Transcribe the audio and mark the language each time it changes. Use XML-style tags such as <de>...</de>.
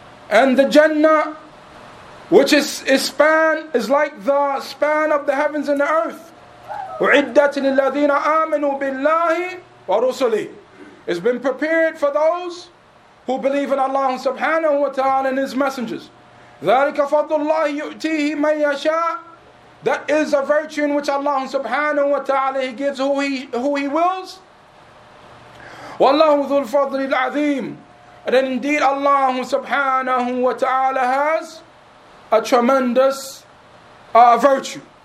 <en>And the Jannah, which is span, is like the span of the heavens and the earth.</en> <ar>وعدت للذين آمنوا بالله ورسله.</ar> <en>It's been prepared for those who believe in Allah subhanahu wa ta'ala and His messengers.</en> <ar>ذلك فضل الله يؤتيه من يشاء.</ar> <en>That is a virtue in which Allah subhanahu wa ta'ala, He gives who he wills.</en> <ar>والله ذو الفضل العظيم.</ar> <en>And then indeed Allah subhanahu wa ta'ala has a tremendous virtue.</en>